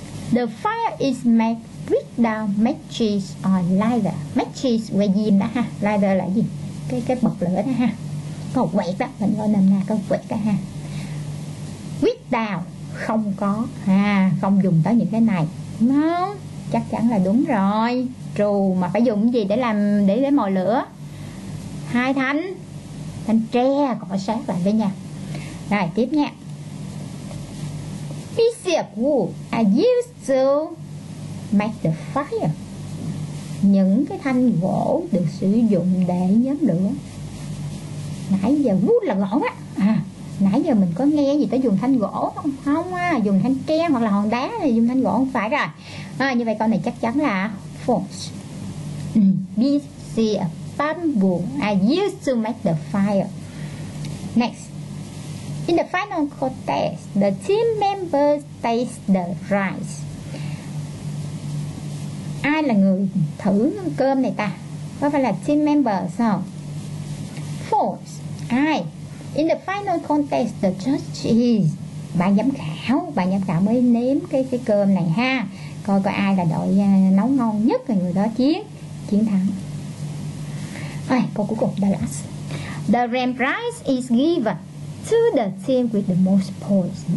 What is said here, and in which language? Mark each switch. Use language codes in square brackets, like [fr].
[en] The fire is made with down matches on lighter. [vi] Matches quay diêm đó ha. Lighter là gì? Cái bật lửa đó ha. Có quẹt đó, mình gọi nằm nè, có quẹt đó ha. With down không có ha, à, không dùng tới những cái này. No, chắc chắn là đúng rồi. Trù mà phải dùng gì để làm, để mồi lửa? Hai thanh, thanh tre cọ sát lại với nhau. Rồi tiếp nha. [en] Pieces of wood are used to make the fire. [vi] Những cái thanh gỗ được sử dụng để nhóm lửa. Nãy giờ wood là gỗ á. À, nãy giờ mình có nghe gì tới dùng thanh gỗ không? Không á, dùng thanh tre hoặc là hòn đá thì dùng thanh gỗ không phải rồi. À, như vậy con này chắc chắn là false. [en] Pieces of bamboo are used to make the fire. Next. In the final contest, the team members taste the rice. [vi] Ai là người thử cơm này ta? Có phải là team members không? False. Ai? [en] In the final contest, the judges, [vi] ban giám khảo mới nếm cái cơm này ha. Coi coi ai là đội nấu ngon nhất thì người đó chiến thắng. Ôi, câu cuối cùng, the last. [en] The ram prize is given to the team with the most points.